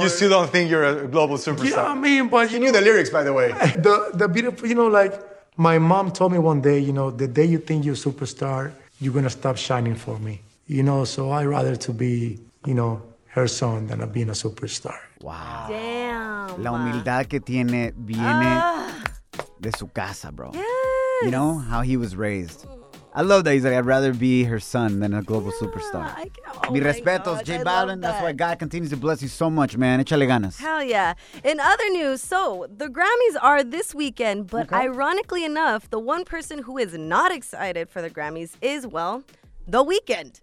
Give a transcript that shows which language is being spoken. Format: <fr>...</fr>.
<en>You still don't think you're a global superstar? Yeah, I mean, but... He knew the lyrics, by the way. The beautiful, you know, like, my mom told me one day, you know, the day you think you're a superstar, you're going to stop shining for me. You know, so I'd rather to be, you know, her son than being a superstar. Wow. Damn.</en> <es>La humildad que tiene viene de su casa, bro.</es> <en>Yes. You know, how he was raised. I love that. He's like, I'd rather be her son than a global superstar.</en> <es>Mi respetos, J Balvin.</es> <en>That's why God continues to bless you so much, man.</en> <es>Échale ganas.</es> <en>Hell yeah. In other news, so the Grammys are this weekend, but ironically enough, the one person who is not excited for the Grammys is, well, The Weeknd.</en>